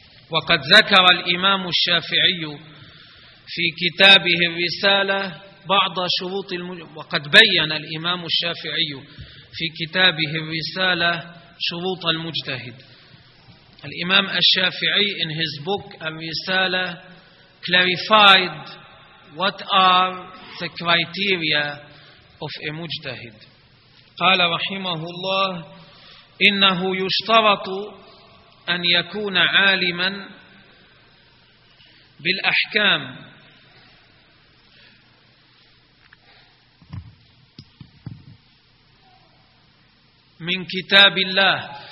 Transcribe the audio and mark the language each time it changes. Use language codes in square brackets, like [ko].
[ar] وقد ذكر الإمام الشافعي في كتابه الرسالة بعض شروط وقد بين الإمام الشافعي في كتابه الرسالة شروط المجتهد. [en] الإمام الشافعي in his book الرسالة clarified what are the criteria of a مجتهد. [ar] قال رحمه الله إنه يشترط أن يكون عالما بالأحكام من كتاب الله.